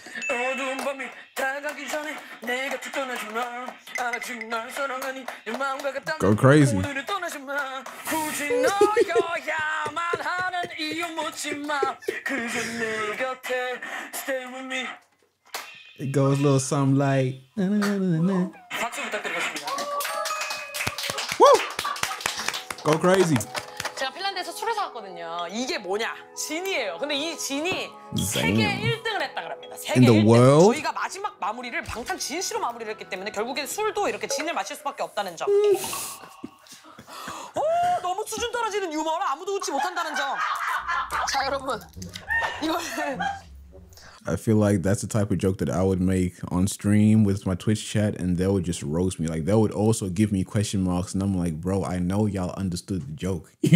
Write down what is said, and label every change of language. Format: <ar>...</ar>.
<ko>어두운 밤이 다가가기 전에 내가 뒤떠나 주마 알았지 널 사랑하니 내 마음과 같다.</ko> <en>Go crazy.</en> <ko>굳이 너여야만 하는 이유 묻지마 그저 내 곁에</ko> <en>stay with me. It goes a little something like.</en> <ko>박수 부탁드리겠습니다.</ko> <en>Woo! Go crazy.</en> <ko>제가 핀란드에서 술을 사왔거든요. 이게 뭐냐? 진이에요. 근데 이 진이 세계 1등을 했다 그럽니다. 세계</ko> <en>In the 1등. World?</en> <ko>저희가 마지막 마무리를 방탄 진 씨로 마무리를 했기 때문에 결국엔 술도 이렇게 진을 마실 수밖에 없다는 점. 너무 수준 떨어지는 유머라 아무도 웃지 못한다는 점. 자 여러분 이걸.</ko> <en>I feel like that's the type of joke that I would make on stream with my Twitch chat and they would just roast me. Like, they would also give me question marks and I'm like, bro, I know y'all understood the joke.</en>